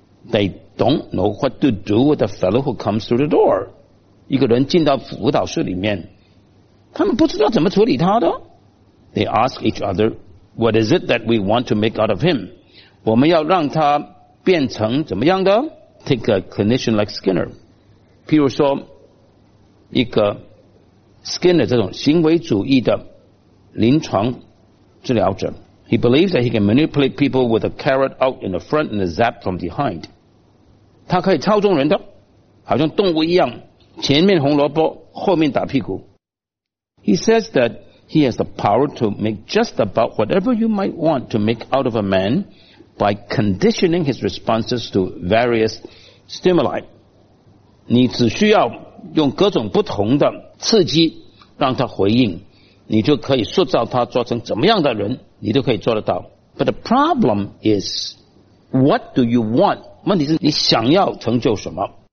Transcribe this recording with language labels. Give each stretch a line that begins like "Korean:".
English: They don't know what to do with the fellow who comes through the door.
Chinese: 一个人进到辅导室里面，他们不知道怎么处理他的。
English: They ask each other, what is it that we want to make out of him?
Chinese: 我们要让他变成怎么样的？
English: Take a clinician like Skinner.
Chinese: 譬如说，一个 Skinner 这种行为主义的临床治疗者。
English: He believes that he can manipulate people with a carrot out in the front and a zap from behind.
Chinese: 他可以操纵人的，好像动物一样，前面红萝卜，后面打屁股。
English: He says that he has the power to make just about whatever you might want to make out of a man by conditioning his responses to various stimuli.
Chinese: 你只需要用各种不同的刺激让他回应，你就可以塑造他做成怎么样的人，你都可以做得到。
English: But the problem is what do you want，
Chinese: 问题是你想要成就什么。